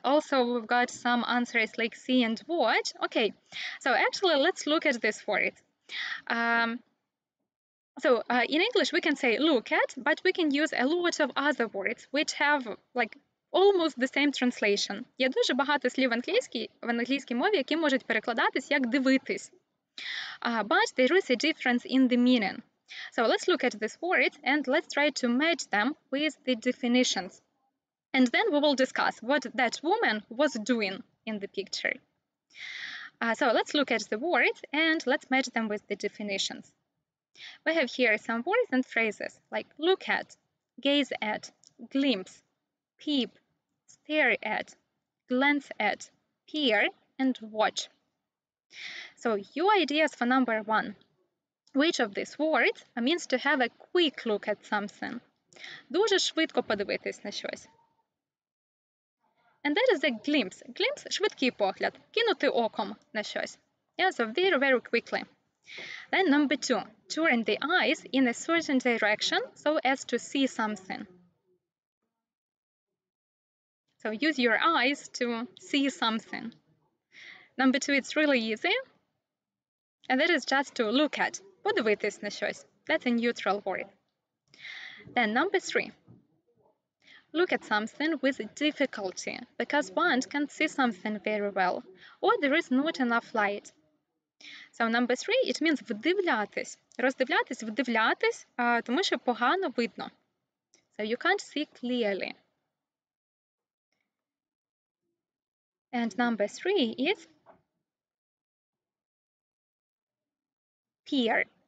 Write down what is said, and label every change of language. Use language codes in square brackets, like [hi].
[en] Also, we've got some answers like see and watch. Okay, so actually, let's look at this word. In English, we can say look at, but we can use a lot of other words which have like almost the same translation. [uk] Є дуже багато слів в англійській мові, які можуть перекладатись як дивитись. [en] But there is a difference in the meaning. So let's look at this word and let's try to match them with the definitions. And then we will discuss what that woman was doing in the picture. So let's look at the words and let's match them with the definitions. We have here some words and phrases like look at, gaze at, glimpse, peep, stare at, glance at, peer, and watch. So your ideas for number one. Which of these words means to have a quick look at something? [uk] Дуже швидко подивитись на щось. [en] And that is a glimpse. Glimpse – [uk] швидкий погляд. Кинути оком на щось. [en] Yeah, so very, very quickly. Then number two. Turn the eyes in a certain direction so as to see something. So use your eyes to see something. Number two, it's really easy. And that is just to look at. [uk] Подивитись на щось. [en] That's a neutral word. Then number three. Look at something with difficulty because one can't see something very well or there is not enough light. So number three, it means вдивлятись. [uk] Роздивлятись, вдивлятись, тому що погано видно. [en] So you can't see clearly. And number three is peer.